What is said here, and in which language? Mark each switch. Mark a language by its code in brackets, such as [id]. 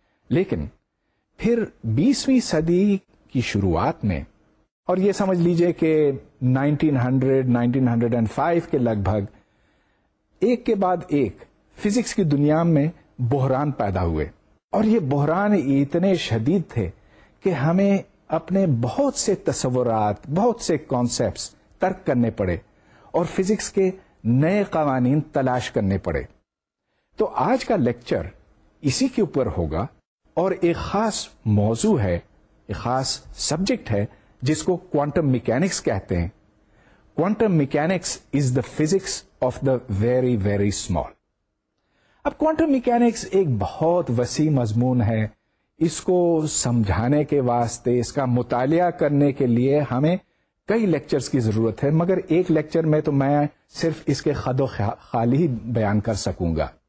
[ur] لیکن پھر 20ویں صدی کی شروعات میں, اور یہ سمجھ لیجئے کہ 1900-1905 کے لگ بھگ, ایک کے بعد ایک فزکس کی دنیا میں بحران پیدا ہوئے, اور یہ بحران اتنے شدید تھے کہ ہمیں اپنے بہت سے تصورات, بہت سے کانسیپٹس ترک کرنے پڑے اور فزکس کے نئے قوانین تلاش کرنے پڑے. تو آج کا لیکچر اسی کے اوپر ہوگا, اور ایک خاص موضوع ہے, ایک خاص سبجیکٹ ہے جس کو کوانٹم میکینکس کہتے ہیں. [en] Quantum mechanics is the physics of the very very small. [ur] اب کوانٹم میکینکس ایک بہت وسیع مضمون ہے, اس کو سمجھانے کے واسطے, اس کا مطالعہ کرنے کے لیے ہمیں کئی لیکچرز کی ضرورت ہے, مگر ایک لیکچر میں تو میں صرف اس کے خد و خالی بیان کر سکوں گا.